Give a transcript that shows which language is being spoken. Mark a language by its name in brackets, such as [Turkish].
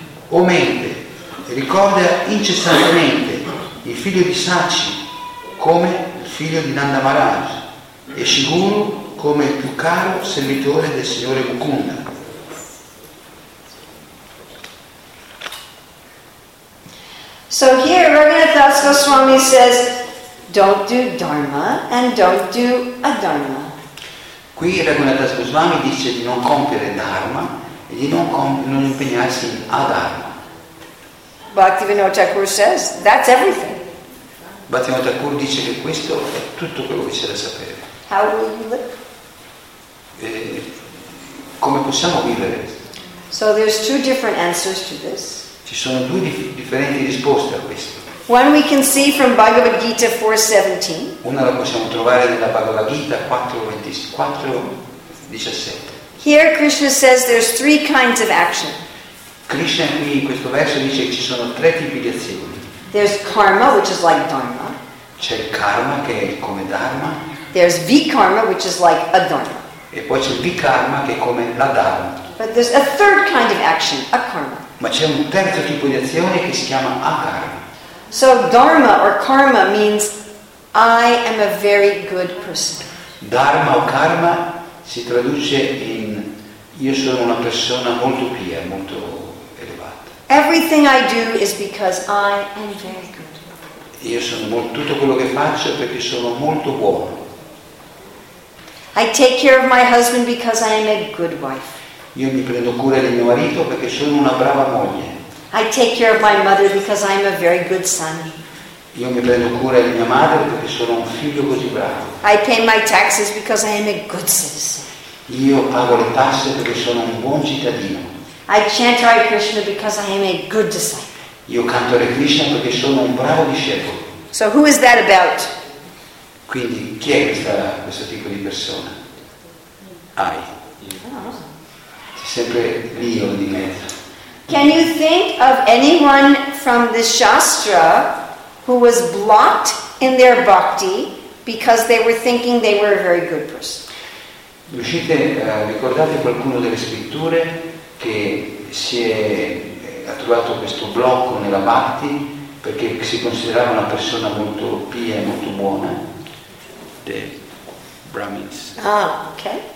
[Italian] O mente, ricorda incessantemente il figlio di Sachi come il figlio di Nanda Maharaj e Shiguru come il più caro servitore del Signore Mukunda. [English] So here Raghunathas Goswami says, don't do dharma and don't do adharma. [Italian] Qui Raghunathas Goswami dice di non compiere dharma e di non impegnarsi adharma. [English] Bhaktivinoda Thakur says, that's everything. [Italian] Bhaktivinoda Thakur dice che questo è tutto quello che c'è da sapere. [English] How will you live? [Italian] Come possiamo vivere? [English] So there's two different answers to this. [Italian] Ci sono due differenti risposte a questo. [English] One we can see from Bhagavad Gita 4:17. [Italian] Una la possiamo trovare nella Bhagavad Gita 4:17. [English] Here Krishna says there's three kinds of action. [Italian] Krishna qui in questo verso dice che ci sono tre tipi di azioni. [English] There's karma, which is like dharma. [Italian] C'è il karma che è come dharma. [English] There's vikarma, which is like a dharma. [Italian] E poi c'è il vikarma che è come la dharma. [English] But there's a third kind of action, a karma. [Italian] Ma c'è un terzo tipo di azione che si chiama akarma. [English] So dharma or karma means I am a very good person. [Italian] Dharma o karma si traduce in io sono una persona molto pia, molto elevata. [English] Everything I do is because I am very good. [Italian] Io sono molto, tutto quello che faccio perché sono molto buono. [English] I take care of my husband because I am a good wife. [Italian] Io mi prendo cura del mio marito perché sono una brava moglie. [English] I take care of my mother because I am a very good son. [Italian] Io mi prendo cura di mia madre perché sono un figlio così bravo. [English] I pay my taxes because I am a good citizen. [Italian] Io pago le tasse perché sono un buon cittadino. [English] I chant Hare Krishna because I am a good disciple. [Italian] Io canto Hare Krishna perché sono un bravo discepolo. [English] So who is that about? [Italian] Quindi chi è questo tipo di persona? I. C'è sempre l'io di mezzo. [English] Can you think of anyone from the Shastra who was blocked in their bhakti because they were thinking they were a very good person? [Italian] Riuscite a ricordare qualcuno delle scritture che ha trovato questo blocco nella bhakti perché si considerava una persona molto pia e molto buona? [English] The Brahmins. [Italian] Ah, ok.